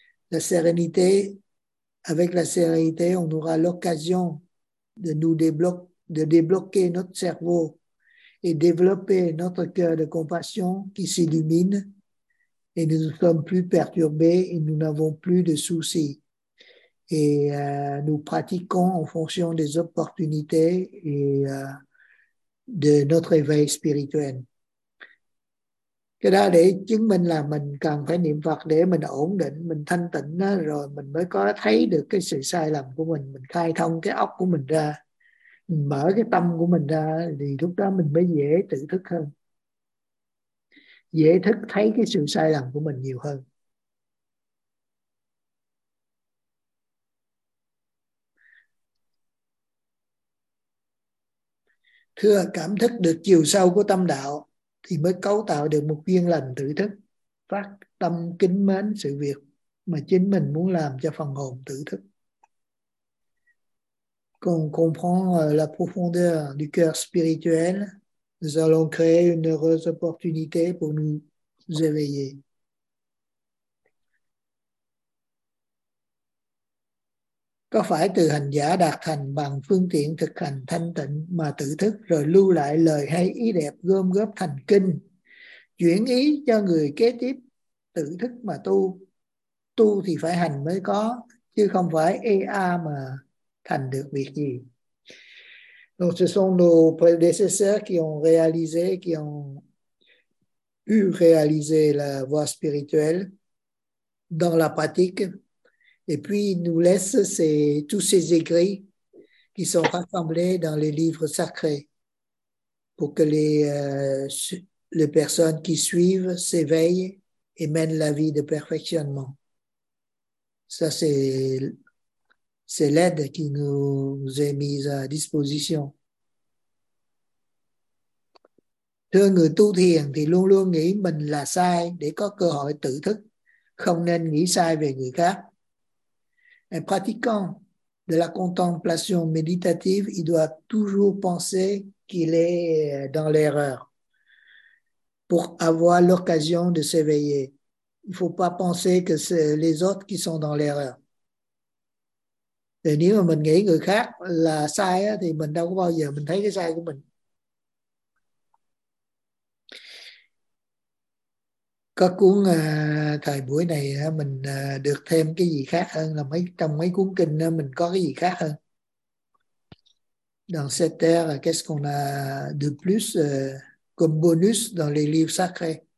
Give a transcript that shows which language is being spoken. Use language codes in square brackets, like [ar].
[fr] La sérénité, avec la sérénité, on aura l'occasion de nous débloquer notre cerveau et développer notre cœur de compassion qui s'illumine et nous ne sommes plus perturbés et nous n'avons plus de soucis. Et nous pratiquons en fonction des opportunités et de notre éveil spirituel. [vi] Cái đó để chứng minh là mình cần phải niệm Phật để mình ổn định, mình thanh tịnh đó, rồi mình mới có thấy được cái sự sai lầm của mình khai thông cái óc của mình ra, mình mở cái tâm của mình ra, thì lúc đó mình mới dễ tự thức hơn, dễ thức thấy cái sự sai lầm của mình nhiều hơn. Thưa, cảm thức được chiều sâu của tâm đạo thì mới cấu tạo được một duyên lành tự thức, phát tâm kính mến sự việc mà chính mình muốn làm cho phần hồn tự thức. [fr] Quand on comprend la profondeur du cœur spirituel, nous allons créer une heureuse opportunité pour nous éveiller. [vi] Có phải từ hành giả đạt thành bằng phương tiện thực hành thanh tịnh mà tự thức rồi lưu lại lời hay ý đẹp gom góp thành kinh, chuyển ý cho người kế tiếp tự thức mà tu? Tu thì phải hành mới có, chứ không phải EA mà thành được việc gì. [fr] Donc ce sont nos prédécesseurs qui ont réalisé, qui ont pu réaliser la voie spirituelle dans la pratique. Et puis, il nous laisse tous ces écrits qui sont rassemblés dans les livres sacrés pour que les personnes qui suivent s'éveillent et mènent la vie de perfectionnement. Ça, c'est l'aide qui nous est mise à disposition. [vi] Thưa người tu thiền thì luôn luôn nghĩ mình là sai để có cơ hội tự thức, không nên nghĩ sai về người khác. [fr] Un pratiquant de la contemplation méditative, il doit toujours penser qu'il est dans l'erreur pour avoir l'occasion de s'éveiller. Il ne faut pas penser que c'est les autres qui sont dans l'erreur. Et [vi] nếu mà mình nghĩ người khác là sai thì mình đâu có bao giờ mình thấy cái sai của mình. Các cuốn thời buổi này mình được thêm cái gì khác hơn là mấy trong mấy cuốn kinh mình có cái gì khác hơn. [fr] Dans cette ère, qu'est-ce qu'on a de plus comme bonus dans les livres sacrés?